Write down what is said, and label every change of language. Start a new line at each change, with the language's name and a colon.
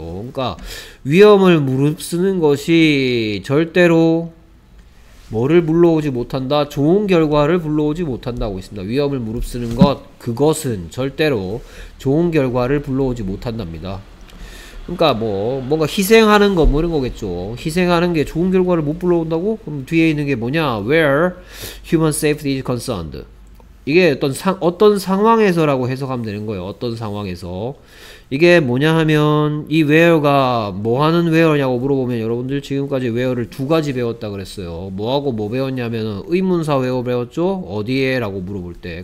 Korean: 그러니까 위험을 무릅쓰는 것이 절대로 뭐를 불러오지 못한다. 좋은 결과를 불러오지 못한다고 있습니다. 위험을 무릅쓰는 것 그것은 절대로 좋은 결과를 불러오지 못한답니다. 그러니까 뭐 뭔가 희생하는 거 뭐 이런 거겠죠. 희생하는 게 좋은 결과를 못 불러온다고? 그럼 뒤에 있는 게 뭐냐?
English: Where human safety is concerned.
Korean: 이게 어떤 상황에서라고 해석하면 되는 거예요. 어떤 상황에서. 이게 뭐냐 하면 이 where가 뭐 하는 where냐고 물어보면 여러분들 지금까지 where를 두 가지 배웠다 그랬어요. 뭐하고 뭐 배웠냐면 의문사 where 배웠죠? 어디에? 라고 물어볼 때.